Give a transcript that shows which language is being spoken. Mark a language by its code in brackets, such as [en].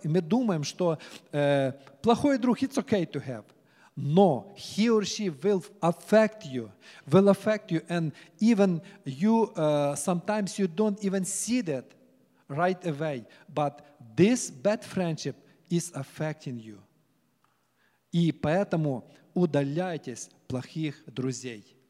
[ru] И мы думаем, что плохой друг, [en] it's okay to have. Но he or she will affect you. And even you, sometimes you don't even see that right away. But this bad friendship is affecting you. [ru] И поэтому удаляйтесь плохих друзей.